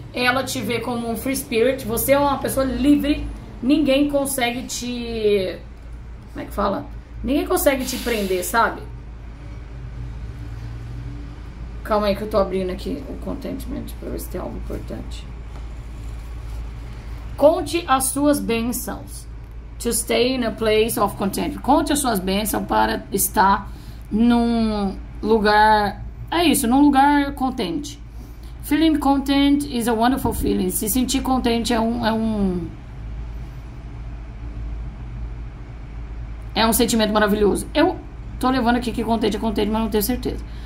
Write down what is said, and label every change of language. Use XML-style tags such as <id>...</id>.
<pt>Ela te vê como um</pt> <en>free spirit,</en> <pt>você é uma pessoa livre, ninguém consegue te... Como é que fala? Ninguém consegue te prender, sabe? Calma aí que eu tô abrindo aqui o contentment pra ver se tem algo importante. Conte as suas bênçãos.</pt> <en>To stay in a place of contentment.</en> <pt>Conte as suas bênçãos para estar num lugar. É isso, num lugar contente.</pt> <en>Feeling content is a wonderful feeling.</en> <pt>Se sentir contente é um sentimento maravilhoso. Eu tô levando aqui que contente é contente, mas não tenho certeza.</pt>